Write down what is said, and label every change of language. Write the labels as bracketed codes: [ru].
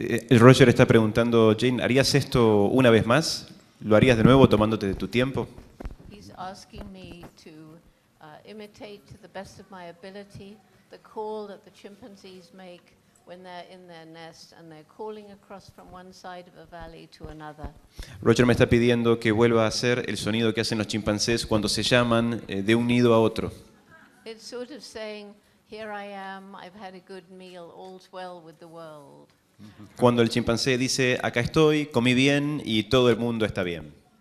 [es] Roger está preguntando, Jane, ¿harías esto una vez más? ¿Lo harías de nuevo tomándote de tu tiempo? [en] He's asking me to imitate to the best of my ability the call that the chimpanzees make when they're in their nest and they're calling across from one side of a valley to another. [es] Roger me está pidiendo que vuelva a hacer el sonido que hacen los chimpancés cuando se llaman de un nido a otro. [en] It's sort of saying, here I am, I've had a good meal, all's well with the world. [es] Cuando el chimpancé dice, acá estoy, comí bien y todo el mundo está bien.